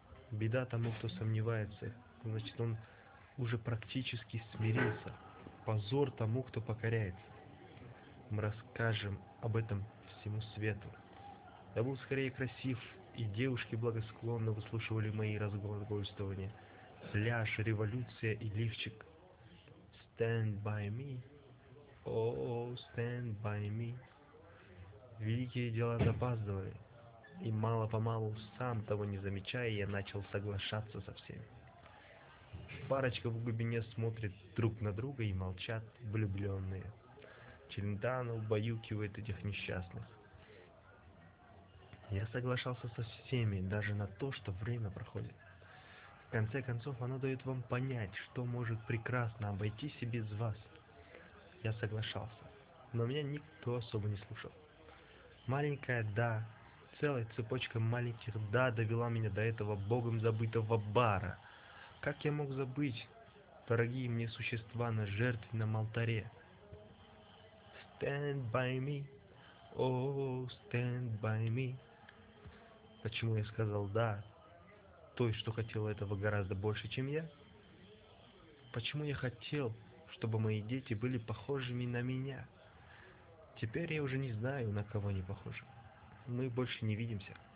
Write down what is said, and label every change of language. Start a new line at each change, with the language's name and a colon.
Russian: Беда тому, кто сомневается, значит, он уже практически смирился. Позор тому, кто покоряется. Мы расскажем об этом всему свету. Я был скорее красив, и девушки благосклонно выслушивали мои разглагольствования. Пляж, революция и лифчик.
English: Stand by me, oh, stand by me.
Russian: Великие дела запаздывали, и мало-помалу, сам того не замечая, я начал соглашаться со всеми. Парочка в глубине смотрит друг на друга и молчат влюбленные. Челентано убаюкивает этих несчастных. Я соглашался со всеми, даже на то, что время проходит. В конце концов, оно дает вам понять, что может прекрасно обойтись и без вас. Я соглашался, но меня никто особо не слушал. Маленькая «да», целая цепочка маленьких «да» довела меня до этого богом забытого бара. Как я мог забыть, дорогие мне существа на жертвенном алтаре?
English: Stand by me, oh, stand by me.
Russian: Почему я сказал «да» той, что хотела этого гораздо больше, чем я? Почему я хотел, чтобы мои дети были похожими на меня? Теперь я уже не знаю, на кого они похожи. Мы больше не видимся.